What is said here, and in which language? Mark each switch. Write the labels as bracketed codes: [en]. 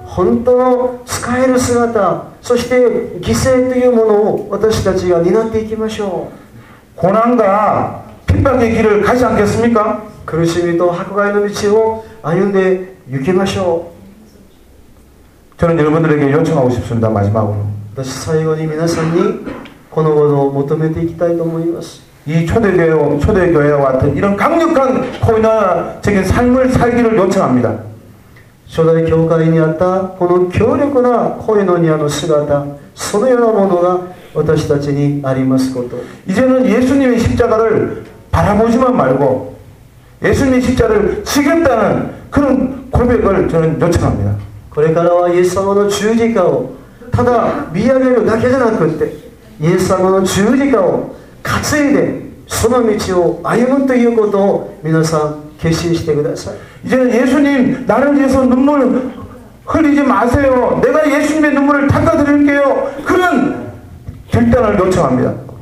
[ja] 本当の使える姿そして犠牲というものを私たちが担っていきましょう [ko] 고난과핍박의길을가지않겠습니까 [ja] 苦しみと迫害の道を歩んでいきましょう [ko] 저는여러분들에게요청하고싶습니다마지막으로 [ja] 私最後に皆さんにこのことを求めていきたいと思います [ko] 이 초대교회와 같은 이런 강력한 코이나적인 삶을 살기를 요청합니다. 초대 교회에 있던 이 강력한 코이노니아의 모습이 [ja] そのようなものが私たちにありますこと. [ko] 이제는 예수님의 십자가를 바라보지만 말고 예수님의 십자가를 지겠다는 그런 고백을 저는 요청합니다. [ja] これからはイエス様の十字架をただ見上げるだけじゃなくて、イエス様の十字架を担いでその道を歩むということを皆さん決心してください。 [ko] 이제는 예수님 나를 위해서 눈물 흘리지 마세요. 내가 예수님의 눈물을 닦아드릴게요. 그런 결단을 요청합니다.